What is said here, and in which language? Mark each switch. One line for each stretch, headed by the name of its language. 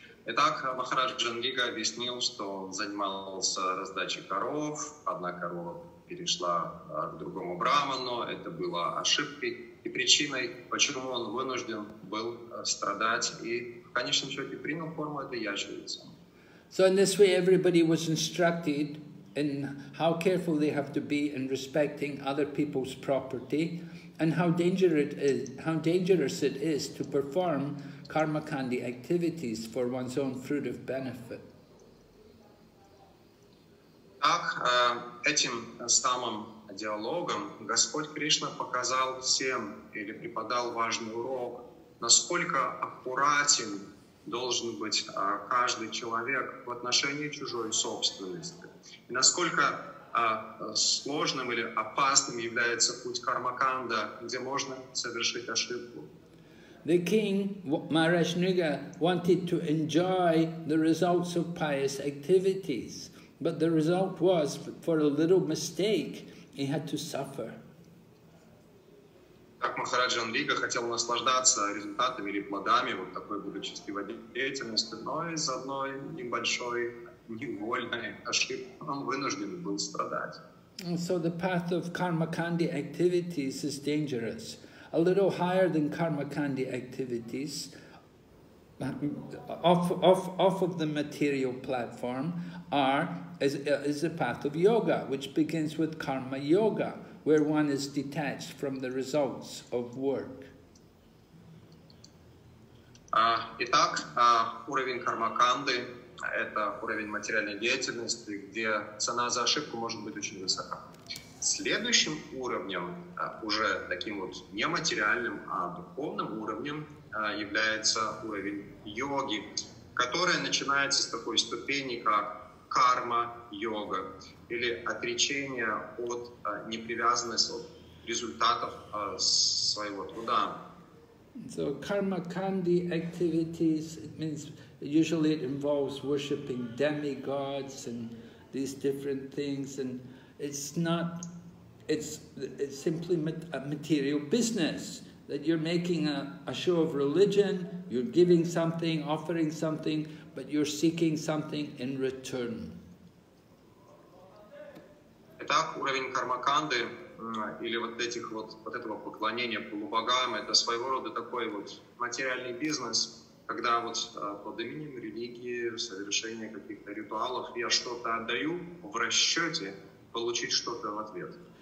Russian: Итак, Махараджа Мрига объяснил, что он занимался раздачей коров, одна корова перешла к другому браману, это было ошибкой и причиной, почему он вынужден был страдать и в конечном счете принял форму этой ящерицы.
English: So in this way everybody was instructed in how careful they have to be in respecting other people's property and how dangerous it is to perform karmakandi activities for one's own fruit of benefit.
Russian: Так, этим самым диалогом Господь Кришна показал всем или преподал важный урок, насколько аккуратен должен быть каждый человек в отношении чужой собственности, и насколько сложным или опасным является путь кармаканда, где можно совершить ошибку.
English: The king, Maharaj Mriga, wanted to enjoy the results of pious activities, but the result was, for a little mistake, he had to suffer.
Russian: Так Махараджа Мрига хотел наслаждаться результатами или плодами вот такой благочестивой деятельности, но из-за одной небольшой невольной ошибки он вынужден был страдать.
English: And so the path of karmakandi activities is dangerous. A little higher than karmakandi activities, off of the material platform, is the path of yoga, which begins with karma yoga, where one is detached from the results of work.
Russian: Итак, уровень кармаканды – это уровень материальной деятельности, где цена за ошибку может быть очень высока. Следующим уровнем, уже таким вот не материальным, а духовным уровнем, является уровень йоги, который начинается с такой ступени, как карма-йога, или отречение от непривязанности, от результатов своего труда.
English: So karma-kandi activities, it means usually it involves worshipping demigods and these different things, and it's simply a material business, that you're making a show of religion, you're giving something, offering something, but you're seeking something in return.
Russian: Итак, уровень кармаканды, или вот этих вот, вот этого поклонения полубогам, это своего рода такой вот материальный бизнес, когда вот под именем религии, совершение каких-то ритуалов, я что-то отдаю в расчете получить что-то в ответ.